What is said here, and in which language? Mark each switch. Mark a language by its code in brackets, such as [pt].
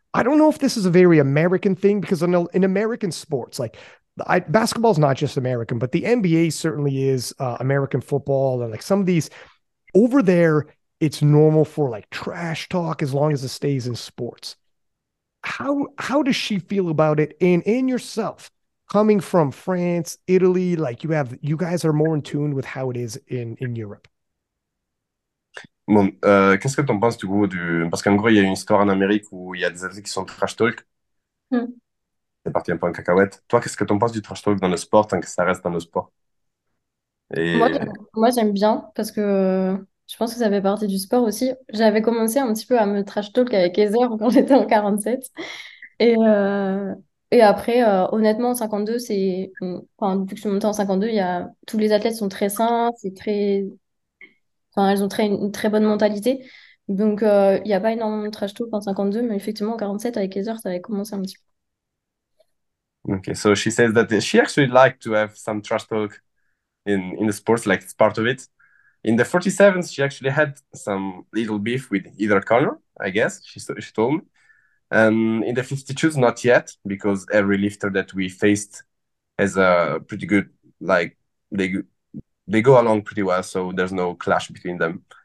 [en] I don't know if this is a very American thing because I know in American sports, basketball is not just American, but the NBA certainly is American football, and like some of these over there, it's normal for like trash talk as long as it stays in sports. How does she feel about it? And yourself, coming from France, Italy, like you guys are more in tune with how it is in Europe. [fr] Bon, qu'est-ce que tu en penses du coup du... Parce qu'en gros, il y a une histoire en Amérique où il y a des athlètes qui sont trash talk. C'est parti un peu en cacahuète. Toi, qu'est-ce que tu en penses du trash talk dans le sport tant que ça reste dans le sport? Et... Moi j'aime bien parce que je pense que ça fait partie du sport aussi. J'avais commencé un petit peu à me trash talk avec Ezer quand j'étais en 47. Et après, honnêtement, en 52, c'est. Enfin, depuis que je suis montée en 52, tous les athlètes sont très sains, c'est très. Enfin, elles ont une très bonne mentalité. Donc, il n'y a pas énormément de trash talk en 52, mais effectivement, en 47, avec Ezer, ça avait commencé un petit peu. [en] Okay, so she says that she actually liked to have some trash talk in the sports, like it's part of it. In the 47s, she actually had some little beef with either corner, I guess, she told me. And in the 52s, not yet, because every lifter that we faced has a pretty good, like, they go along pretty well, so there's no clash between them.